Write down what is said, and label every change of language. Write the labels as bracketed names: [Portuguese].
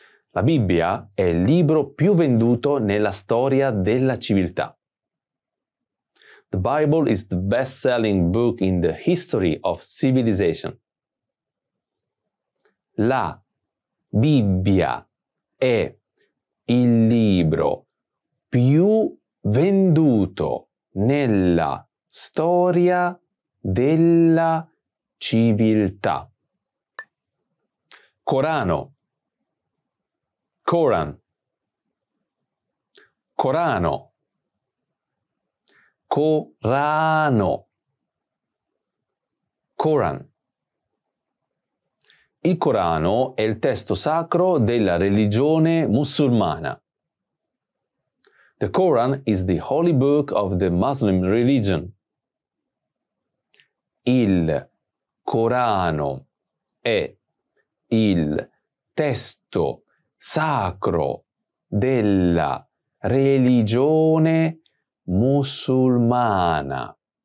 [Italian] La Bibbia è il libro più venduto nella storia della civiltà. [English] The Bible is the best-selling book in the history of civilization. [Italian] La Bibbia è il libro più venduto nella storia della civiltà. Corano. Coran. Corano. Corano. [English] Coran. [Italian] Il Corano è il testo sacro della religione musulmana. [English] The Quran is the holy book of the Muslim religion. [Italian] Il Corano è il testo sacro della religione musulmana.